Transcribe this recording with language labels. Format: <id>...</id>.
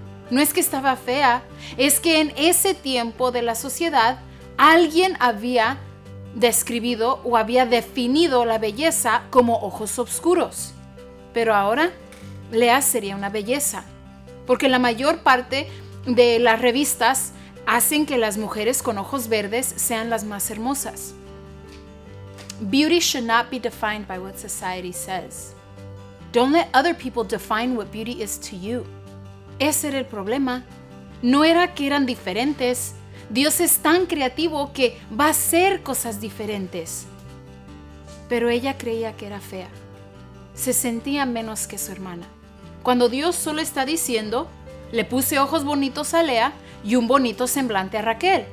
<es>No es que estaba fea, es que en ese tiempo de la sociedad, alguien había describido o había definido la belleza como ojos oscuros. Pero ahora, Lea sería una belleza, porque la mayor parte de las revistas hacen que las mujeres con ojos verdes sean las más hermosas.</es> <en>Beauty should not be defined by what society says. Don't let other people define what beauty is to you.</en> <es>Ese era el problema. No era que eran diferentes. Dios es tan creativo que va a hacer cosas diferentes. Pero ella creía que era fea. Se sentía menos que su hermana. Cuando Dios solo está diciendo, le puse ojos bonitos a Lea y un bonito semblante a Raquel.</es>